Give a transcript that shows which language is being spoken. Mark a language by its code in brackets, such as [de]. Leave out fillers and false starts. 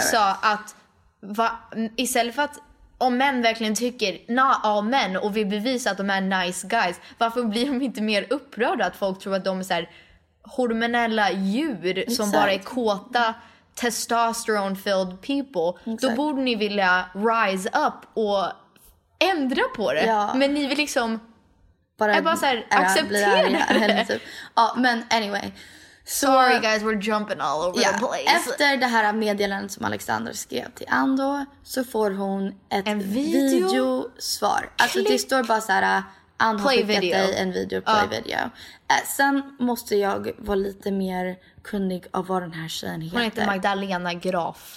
[sv] Sa att istället för att om män verkligen tycker [en] not all men [sv] och vill bevisa att de är nice guys varför blir de inte mer upprörda att folk tror att de är så här hormonella djur som bara är kåta [en] testosterone filled people, exactly, [sv] då borde ni vilja rise up och ändra på det. Ja. Men ni vill liksom bara, är bara så här, acceptera det. Typ. Ja, men anyway. [en] Sorry guys, we're jumping all over the place. [sv] Efter det här meddelandet som Alexander skrev till Ando, så får hon ett videosvar. Alltså det står bara så här, Ando har skickat dig en video, play video. Sen måste jag vara lite mer kunnig av vad den här tjejen heter. Hon heter Magdalena Graf.